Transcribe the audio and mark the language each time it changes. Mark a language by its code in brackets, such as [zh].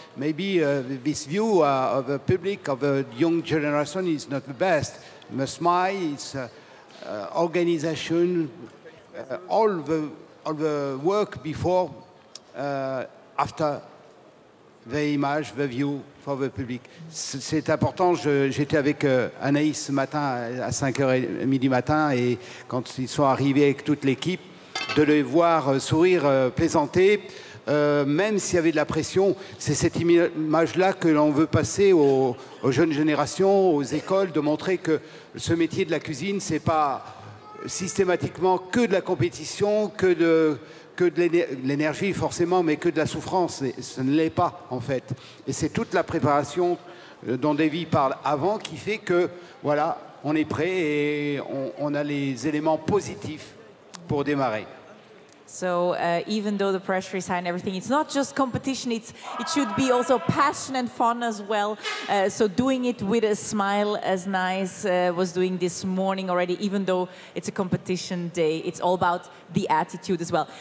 [en] Maybe this view of the public, of the young generation, is not the best. The smile is organization. All the work before, after the image, the view for the public. [fr] C'est important. J'étais avec Anaïs ce matin à 5h30 du matin, et quand ils sont arrivés avec toute l'équipe, de les voir sourire, plaisanter, même s'il y avait de la pression, c'est cette image-là que l'on veut passer aux jeunes générations, aux écoles, de montrer que ce métier de la cuisine, c'est pas systématiquement que de la compétition, que de l'énergie forcément, mais que de la souffrance. Ce ne l'est pas en fait, et c'est toute la préparation dont Davy parle avant qui fait que voilà, on est prêt et on a les éléments positifs pour démarrer. [en] So even though the pressure is high and everything, it's not just competition, it should be also passion and fun as well. So doing it with a smile as nice was doing this morning already, even though it's a competition day, it's all about the attitude as well.